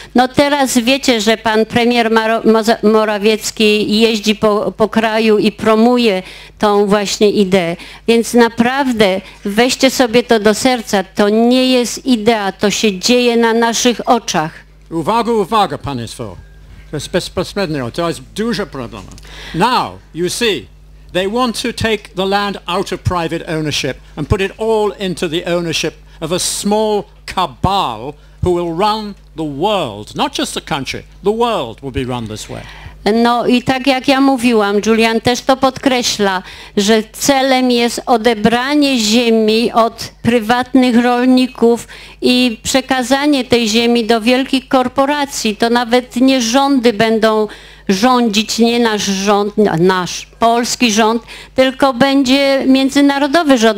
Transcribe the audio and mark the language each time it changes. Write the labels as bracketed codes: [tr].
[pl] No teraz wiecie, że pan premier Morawiecki jeździ po kraju i promuje tą właśnie ideę. Więc naprawdę weźcie sobie to do serca. To nie jest idea, to się dzieje na naszych oczach. Uwaga, uwaga, państwo. Bezpośrednio, to jest duży problem. [en] Now, you see, they want to take the land out of private ownership and put it all into the ownership of a small cabal who will run the world, not just the country, the world will be run this way. [pl] No i tak jak ja mówiłam, Julian też to podkreśla, że celem jest odebranie ziemi od prywatnych rolników i przekazanie tej ziemi do wielkich korporacji. To nawet nie rządy będą rządzić, nie nasz rząd, nasz polski rząd, tylko będzie międzynarodowy rząd.